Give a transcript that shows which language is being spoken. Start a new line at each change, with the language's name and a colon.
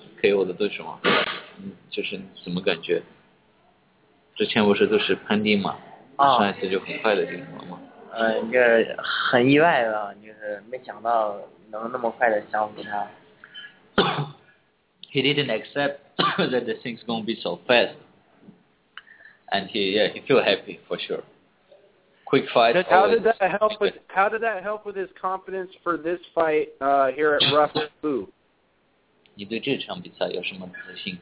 Chinese: 给我的对手吗？就是怎么感觉？之前不是都是攀定嘛，上一次就很快的地方嘛。就是很意外吧，就是没想到能那么快的降服他。
English: He didn't accept that the thing's gonna be so fast, and he feel happy for sure. Quick fight. How did that help with his confidence for this fight here at Rough Boo?
Chinese: 你对这场比赛有什么自信？